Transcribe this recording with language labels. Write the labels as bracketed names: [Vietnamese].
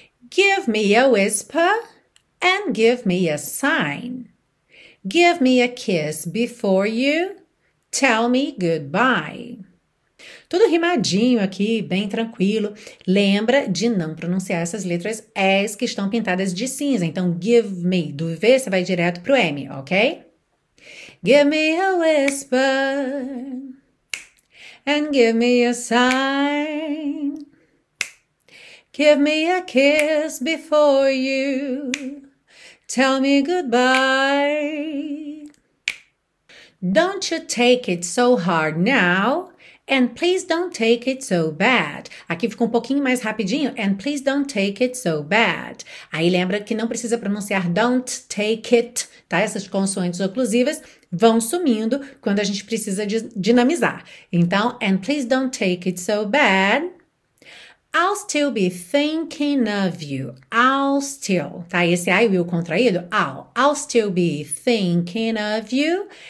[English] Give me a whisper and give me a sign. Give me a kiss before you tell me goodbye. [Portuguese] Tudo rimadinho aqui, bem tranquilo. Lembra de não pronunciar essas letras S que estão pintadas de cinza. Então, give me. Do V você vai direto pro M, ok? [English] Give me a whisper and give me a sign. Give me a kiss before you tell me goodbye. Don't you take it so hard now. And please don't take it so bad. [Portuguese] Aqui fica um pouquinho mais rapidinho. [English] And please don't take it so bad. [Portuguese] Aí lembra que não precisa pronunciar don't take it, tá? Essas consoantes oclusivas vão sumindo quando a gente precisa de dinamizar. [English] Então, and please don't take it so bad. I'll still be thinking of you. I'll still, tá? Esse I will contraído. I'll still be thinking of you.